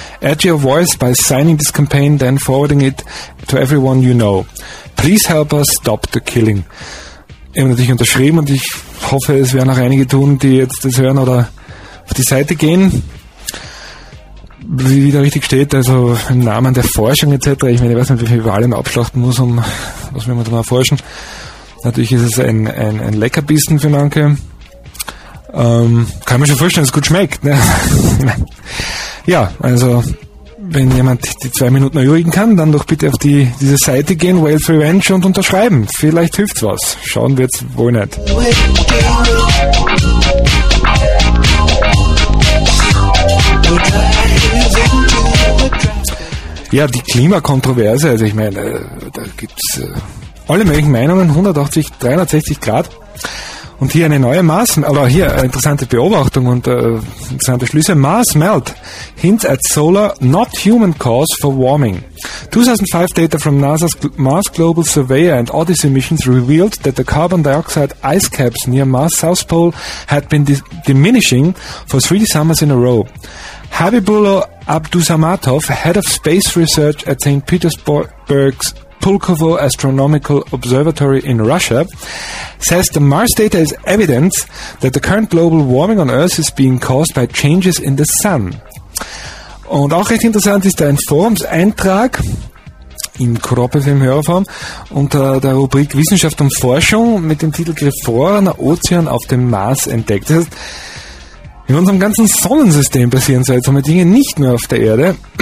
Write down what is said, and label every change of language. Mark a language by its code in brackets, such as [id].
[en] Add your voice by signing this campaign, then forwarding it to everyone you know. Please help us stop the killing. [de] Ich habe natürlich unterschrieben und ich hoffe, es werden auch einige tun, die jetzt das hören oder auf die Seite gehen. Wie da richtig steht, also im Namen der Forschung etc. Ich meine, ich weiß nicht, wie viele Wale man abschlachten muss, um was will man da mal forschen. Natürlich ist es ein Leckerbissen für manche. Kann man schon vorstellen, dass es gut schmeckt. Ne? Ja, also wenn jemand die 2 Minuten erübrigen kann, dann doch bitte auf diese Seite gehen, Wales Revenge, und unterschreiben. Vielleicht hilft's was. Schauen wir jetzt wohl nicht. Ja, die Klimakontroverse, also ich meine, da gibt's alle möglichen Meinungen, 180, 360 Grad. Und hier eine neue Mars, aber hier eine interessante Beobachtung und interessante Schlüsse. [en] Mars melt, hints at solar, not human cause for warming. 2005 data from NASA's Mars Global Surveyor and Odyssey missions revealed that the carbon dioxide ice caps near Mars' South Pole had been diminishing for 3 summers in a row. Habibullo Abdusamatov, head of space research at St. Petersburg's Pulkovo Astronomical Observatory in Russia, says the Mars data is evidence that the current global warming on Earth is being caused by changes in the sun. [de] Und auch recht interessant ist ein Forumseintrag in Kropfem Hörerform unter der Rubrik Wissenschaft und Forschung mit dem Titel Gefrorener Ozean auf dem Mars entdeckt. Das heißt, in unserem ganzen Sonnensystem passieren seltsame Dinge, nicht nur auf der Erde.